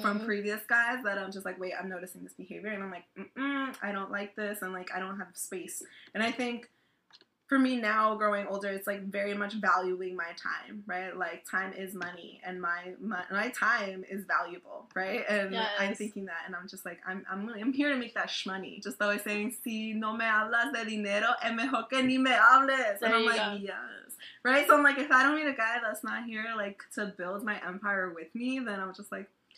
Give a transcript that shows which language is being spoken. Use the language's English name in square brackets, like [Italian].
[English] from previous guys that I'm just like, wait, I'm noticing this behavior. And I'm like, I don't like this, and, like, I don't have space. And I think for me now, growing older, it's, like, very much valuing my time, right? Like, time is money, and my time is valuable, right? And yes. I'm thinking that, and I'm just, like, I'm here to make that shmoney. Just always saying, [Spanish] si no me hablas de dinero, es mejor que ni me hables. [English] And I'm like, yes. Right? So I'm like, if I don't meet a guy that's not here, like, to build my empire with me, then I'm just, like,